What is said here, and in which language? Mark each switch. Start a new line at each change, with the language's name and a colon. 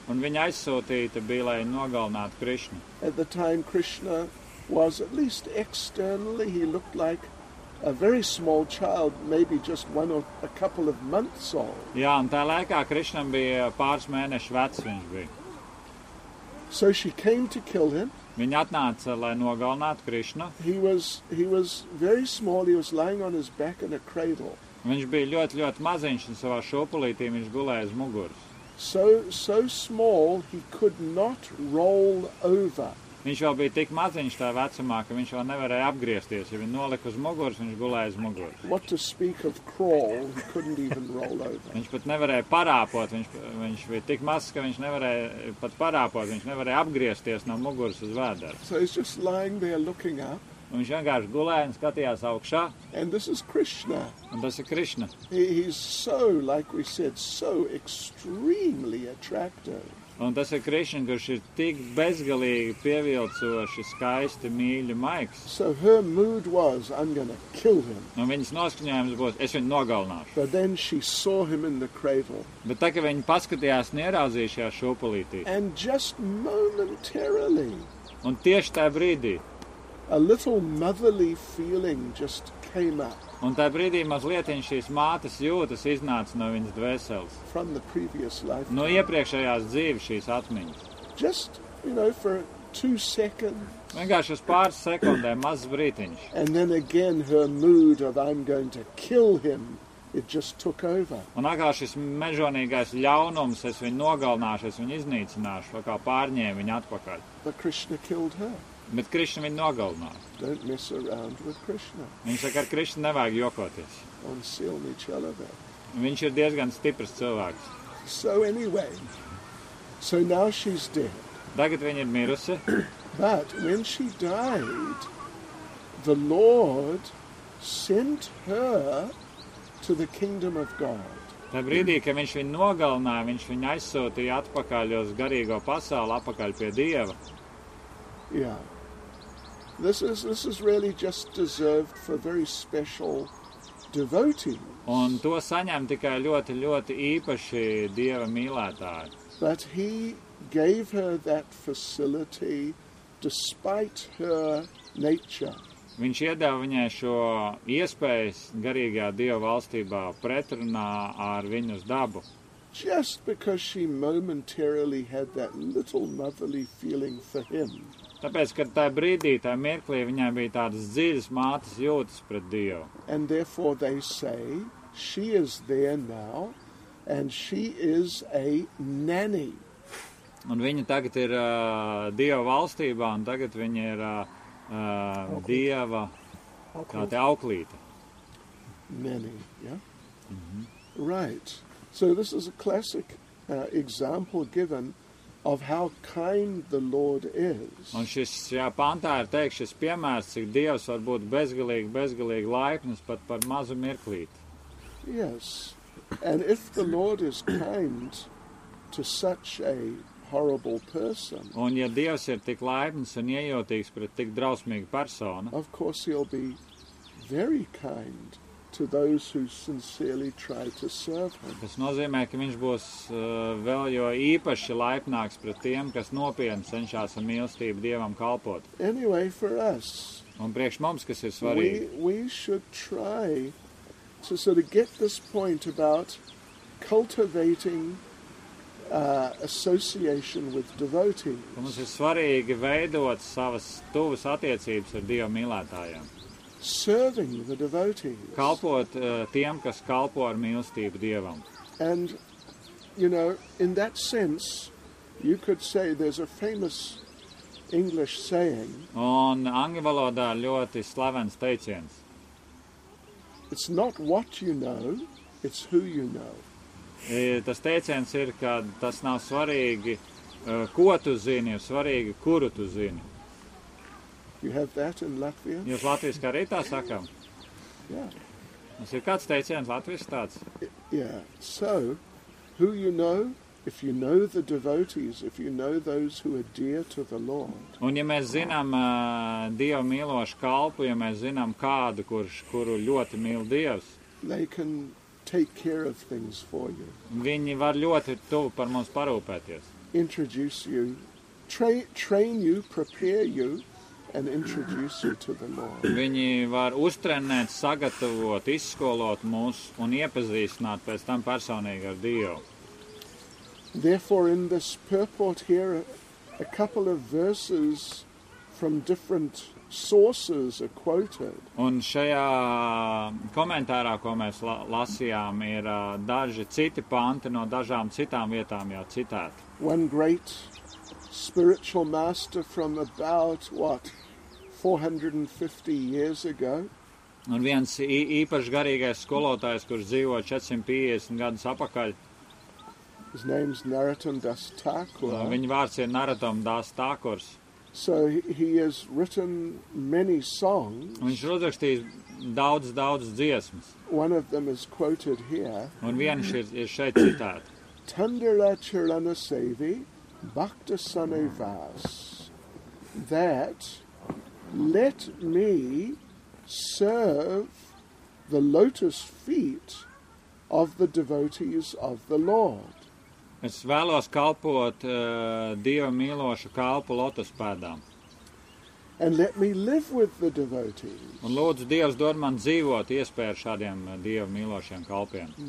Latvian: Un viņa aizsūtīta bija, lai nogalinātu Krishna.
English: At the time Krishna was at least externally, he looked like a very small child, maybe just one or a couple of months old.
Latvian: Jā, un tajā laikā Krishna bija pāris mēnešu vecs viņš bija.
English: So she came to kill him.
Latvian: Viņa atnāca, lai nogalinātu Krishna.
English: He was very small, he was lying on his back in a cradle.
Latvian: Viņš bija ļoti, ļoti maziņš un savā šopulītī viņš gulēja uz muguras.
English: So small, he could not roll over.
Latvian: Viņš vēl bija tik maziņš tajā vecumā, ka viņš vēl nevarēja apgriezties. Ja viņu nolika uz muguras, viņš gulēja uz muguras.
English: What to speak of crawl, he couldn't even roll over.
Latvian: Viņš pat nevarēja parāpot, viņš bija tik mazs, ka viņš nevarēja pat parāpot, viņš nevarēja apgriezties no muguras uz vēderu.
English: So he's just lying there looking up.
Latvian: Viņš vienkārši gulēja un skatījās augšā.
English: And this is Krishna.
Latvian: Un tas ir Krishna.
English: He's so, like we said, so extremely attractive.
Latvian: Un tas ir Krishna, kurš ir tik bezgalīgi pievilcoši, skaisti, mīļi, maiks.
English: So her mood was, I'm gonna kill him.
Latvian: Un viņas noskaņojums būs, es viņu nogalināšu.
English: But then she saw him in the cradle.
Latvian: Bet tā, ka viņa paskatījās un ieraudzīja šajā šūpulītī.
English: And just momentarily.
Latvian: Un tieši tajā brīdī.
English: A little motherly feeling just came up.
Latvian: Un tajā brīdī mazlietiņš šīs mātes jūtas iznāca no viņas dvēseles.
English: From the previous life.
Latvian: No iepriekšējās dzīves šīs atmiņas.
English: Just, you know, for 2 seconds.
Latvian: Vienkārši uz pāris sekundēm mazs brītiņš.
English: And then again her mood of I'm going to kill him. It just took over.
Latvian: Un atkal šis mežonīgais ļaunums, es viņu nogalināšu, es viņu iznīcināšu, atkal pārņēmu viņu atpakaļ.
English: But Krishna killed her.
Latvian: Bet Krishna viņu nogalināja.
English: Don't mess around with Krishna.
Latvian: Viņš saka, ar Krishna nevajag jokoties. On silly cilvēk. Viņš ir diezgan stiprs cilvēks.
English: So anyway, so now she's dead.
Latvian: Tagad viņa ir mirusi.
English: But when she died, the Lord sent her to the kingdom of God.
Latvian: Tā brīdī, ka viņš viņu nogalināja, viņš viņu aizsūtīja atpakaļ uz garīgo pasauli, atpakaļ pie Dieva.
English: Yeah. This is really just deserved for very special devotees.
Latvian: Un to saņem tikai ļoti, ļoti īpaši Dieva mīlētāji.
English: But he gave her that facility despite her nature.
Latvian: Viņš iedeva viņai šo iespējas garīgajā Dieva valstībā pretrunā ar viņas dabu.
English: Just because she momentarily had that little motherly feeling for him.
Latvian: Tāpēc, kad tajā brīdī, tajā mirklī, viņai bija tādas dziļas mātes jūtas pret Dievu.
English: And therefore they say, she is there now, and she is a nanny.
Latvian: Un viņa tagad ir Dieva valstībā, un tagad viņa ir Dieva, kā te auklīte.
English: Nanny, yeah? Mm-hmm. Right. So this is a classic example given of how kind the Lord is.
Latvian: Un šis, jā, pantā ir teikt, šis piemērs, cik Dievs var būt bezgalīgi, bezgalīgi laipnis, pat par mazu mirklīti.
English: Yes, and if the Lord is kind to such a horrible person,
Latvian: un ja Dievs ir tik laipnis un iejūtīgs pret tik drausmīgu personu,
English: of course he'll be very kind to those who sincerely try to serve him.
Latvian: Tas nozīmē, ka viņš būs vēl jo īpaši laipnāks pret tiem, kas nopietni cenšas ar mīlestību Dievam kalpot.
English: Anyway, for us.
Latvian: Un priekš mums, kas ir svarīgi.
English: We should try to sort of get this point about cultivating association with devotees.
Latvian: Mums ir svarīgi veidot savas tuvas attiecības ar Dieva mīlētājiem.
English: Serving the devotees.
Latvian: Kalpot tiem, kas kalpo ar mīlestību Dievam.
English: And, you know, in that sense, you could say there's a famous English saying.
Latvian: Un angļu valodā ļoti slavens teiciens.
English: It's not what you know, it's who you know.
Latvian: Tas teiciens ir, ka tas nav svarīgi, ko tu zini, ir svarīgi, kuru tu zini.
English: You have that in Latvia?
Latvian: Jūs latviskā arī tā sakam.
English: Yeah.
Latvian: Mums ir kāds teiciens latviski tāds.
English: Yeah. So, who you know, if you know the devotees, if you know those who are dear to the Lord.
Latvian: Un ja mēs zinām Dievu mīlošu kalpu, ja mēs zinām kādu, kuru ļoti mīl Dievs.
English: They can take care of things for you.
Latvian: Viņi var ļoti tuvu par mums parūpēties.
English: Introduce you, train you, prepare you, and introduce you to the Lord.
Latvian: Viņi var uztrenēt, sagatavot, izskolot mūs un iepazīstināt pēc tam personīgi ar Dievu.
English: Therefore in this purport here a couple of verses from different sources are quoted.
Latvian: Un šajā komentārā, ko mēs lasījām, ir daži citi panti no dažām citām vietām jau citēti.
English: One great spiritual master from about what 450 years ago.
Latvian: Un viens īpaši garīgais skolotājs, kurš dzīvo 450 gadus apakaļ.
English: His name is Narottam Das Thakur.
Latvian: Viņa vārds ir Narottam Das Thakurs.
English: So he has written many songs.
Latvian: Viņš rakstīja daudz, daudz dziesmas.
English: One of them is quoted here.
Latvian: Un viena ir šeit citāta.
Sanskrit: Tandila Charana Sevi Bhakta Sane Vas,
English: that let me serve the lotus feet of the devotees of the Lord.
Latvian: Es vēlos kalpot Dieva mīlošu kalpu lotus pēdām.
English: And let me live with the devotees.
Latvian: Un lūdzu, Dievs dod man dzīvot iespēju šādiem Dieva mīlošiem kalpiem.